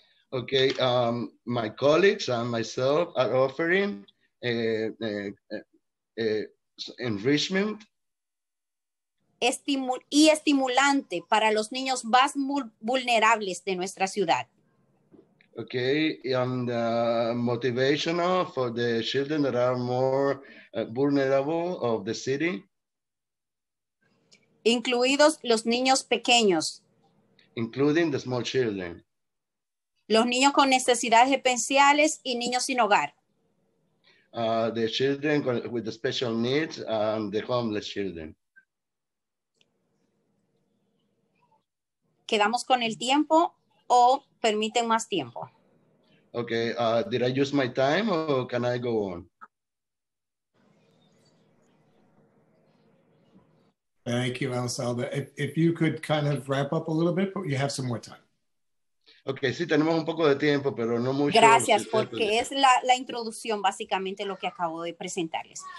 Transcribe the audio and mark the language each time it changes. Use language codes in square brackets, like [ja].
[en] Okay, my colleagues and myself are offering enrichment. [es] Y estimulante para los niños más vulnerables de nuestra ciudad. [en] Okay, and motivational for the children that are more vulnerable of the city. [es] Incluidos los niños pequeños. [en] Including the small children. [es] Los niños con necesidades especiales y niños sin hogar. [en] The children with the special needs and the homeless children. [es] ¿Quedamos con el tiempo o permiten más tiempo? [en] Okay, did I use my time or can I go on? Thank you, Alessandra. If you could kind of wrap up a little bit, but you have some more time. [es] Okay, sí, tenemos un poco de tiempo, pero no mucho. Gracias, porque es la introducción, básicamente, lo que acabo de presentarles.